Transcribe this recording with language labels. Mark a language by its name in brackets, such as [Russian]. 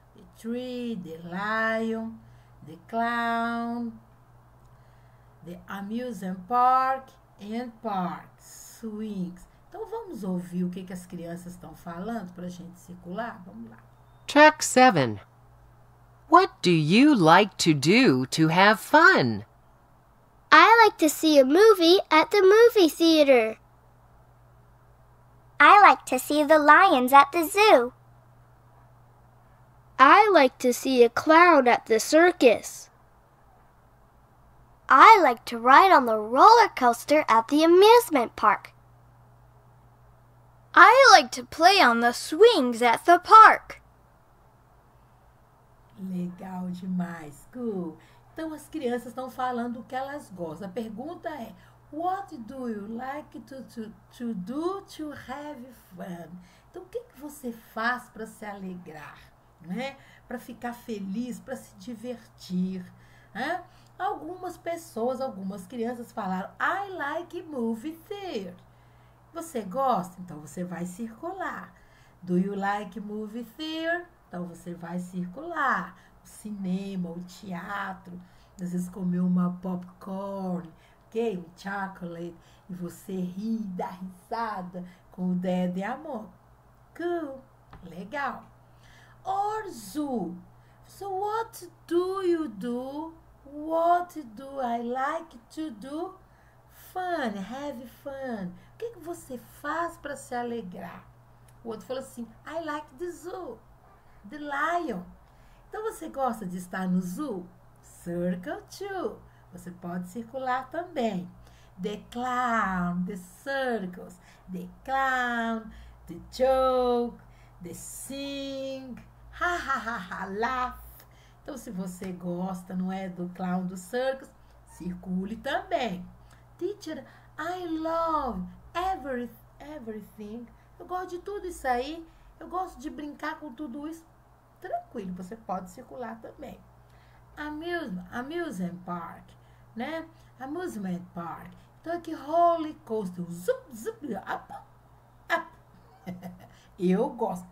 [English] The tree, the lion, the clown. The amusement park and park, swings. [Portuguese] Então vamos ouvir o que que as crianças estão falando para a gente circular? Vamos lá. [English] Track 7. What do you like to do to have fun? I like to see a movie at the movie theater. I like to see the lions at the zoo. I like to see a clown at the circus. I like to ride on the roller coaster at the amusement park. I like to play on the swings at the park. [Portuguese] Legal demais, cool. Então as crianças estão falando o que elas gostam. A pergunta é: [English] What do you like to do to have fun? [Portuguese] Então o que que você faz para se alegrar, né? Para ficar feliz, para se divertir, né? Algumas pessoas, algumas crianças falaram: [English] I like movie theater. [Portuguese] Você gosta? Então você vai circular. [English] Do you like movie theater? [Portuguese] Então você vai circular. O cinema, o teatro, às vezes comer uma popcorn, okay? Um chocolate, e você ri, dá risada com o dedo e a mão. [English] Cool, legal. Or zoo. So what do you do? What do I like to do? Fun, have fun. [Portuguese] O que que você faz para se alegrar? O outro falou assim: [English] I like the zoo, the lion. [Portuguese] Então você gosta de estar no zoo? [English] Circle two. [Portuguese] Você pode circular também. [English] The clown, the circles, the clown, the joke, the sing. Ha, ha, ha, ha, laugh. [Portuguese] Então, se você gosta, não é, do clown do circus, circule também. [English] Teacher, I love everything. [Portuguese] Eu gosto de tudo isso aí. Eu gosto de brincar com tudo isso. Tranquilo, você pode circular também. [English] Amusement park, né? Amusement park. [Portuguese] Então, aqui, roller coaster. Zup, zup, up, up. Eu gosto.